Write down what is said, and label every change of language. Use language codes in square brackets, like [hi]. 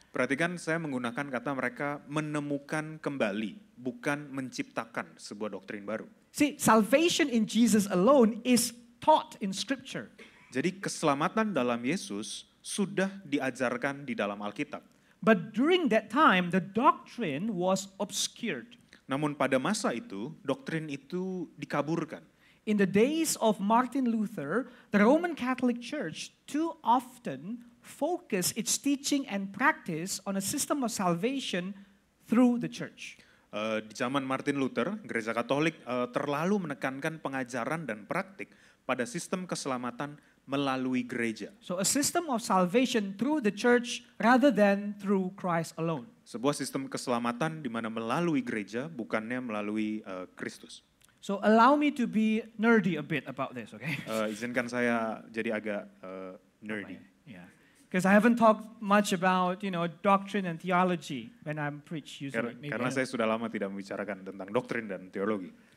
[id] Perhatikan saya menggunakan kata mereka menemukan kembali, bukan menciptakan sebuah doktrin baru. [en] See, salvation in Jesus alone is taught in Scripture. [id] Jadi keselamatan dalam Yesus sudah diajarkan di dalam Alkitab. [en] But during that time, the doctrine was obscured. [id] Namun pada masa itu, doktrin itu dikaburkan. [en] In the days of Martin Luther, the Roman Catholic Church too often focus its teaching and practice on a system of salvation through the church. [id] Di zaman Martin Luther, Gereja Katolik terlalu menekankan pengajaran dan praktik pada sistem keselamatan melalui gereja. [en] So a system of salvation through the church rather than through Christ alone. [id] Sebuah sistem keselamatan di mana melalui gereja bukannya melalui Kristus. [en] So allow me to be nerdy a bit about this, okay? [id] Izinkan saya jadi agak nerdy. [en] Because I haven't talked much about, you know, doctrine and theology when I'm preach usually. [id] Karena saya sudah lama tidak membicarakan tentang doktrin dan teologi.